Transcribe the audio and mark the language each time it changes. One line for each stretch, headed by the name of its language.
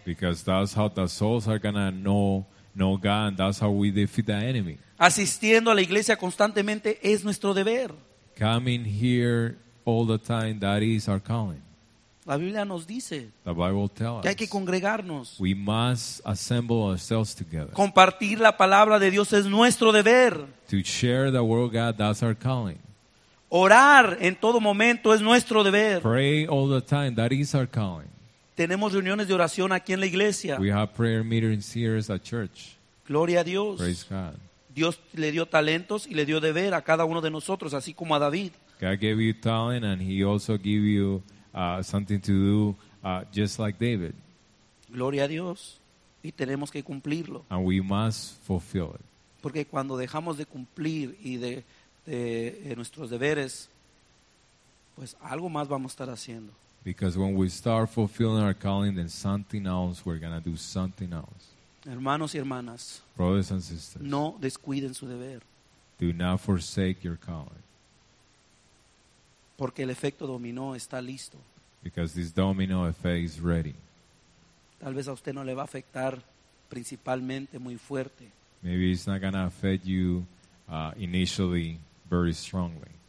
English: Because that's how the souls are gonna know God, and that's how we defeat the enemy.
Spanish: Asistiendo a la iglesia constantemente es nuestro deber.
English: Coming here all the time, that is our calling.
Spanish: La Biblia nos dice
English: the Bible tells
Spanish: que hay que congregarnos.
English: We must assemble ourselves together.
Spanish: Compartir la palabra de Dios es nuestro deber.
English: To share the word of God, that's our calling.
Spanish: Orar en todo momento es nuestro deber.
English: Pray all the time, that is our calling.
Spanish: Tenemos reuniones de oración aquí en la iglesia.
English: We have prayer meetings here at church.
Spanish: Gloria a Dios.
English: Praise God.
Spanish: Dios le dio talentos y le dio deber a cada uno de nosotros, así como a David.
English: God gave you talent and he also gave you something to do, just like David.
Spanish: Gloria a Dios, y tenemos que cumplirlo.
English: And we must fulfill it.
Spanish: Porque cuando dejamos de cumplir y de nuestros deberes, pues algo más vamos a estar haciendo.
English: Because when we start fulfilling our calling, then something else, we're gonna do something else.
Spanish: Hermanos y hermanas,
English: brothers and sisters,
Spanish: no descuiden su deber.
English: Do not forsake your calling.
Spanish: Porque el efecto dominó está listo.
English: Because this domino effect is ready.
Spanish: Tal vez a usted no le va a afectar principalmente muy fuerte.
English: Maybe it's not gonna affect you initially very strongly.